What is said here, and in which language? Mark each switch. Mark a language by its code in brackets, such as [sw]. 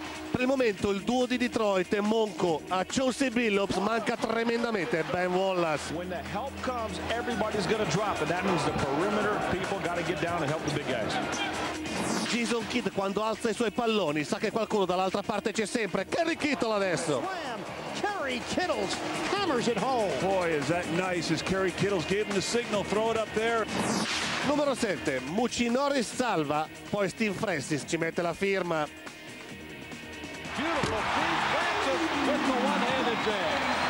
[it] Per il momento il duo di Detroit è Monco, a Chauncey Billups manca tremendamente Ben Wallace. [en] When the help comes, everybody's gonna drop, and that means the perimeter people gotta get down and help the big guys. [it] Jason Kidd quando alza i suoi palloni sa che qualcuno dall'altra parte c'è sempre. Kerry Kittle adesso. [en] Kerry Kittle hammers it home. Boy, is that nice as Kerry Kittle gave him the signal, throw it up there. [it] Numero 7, Muchinori salva, poi Steve Francis ci mette la firma. [en] Beautiful, Steve Francis with the one-handed jam.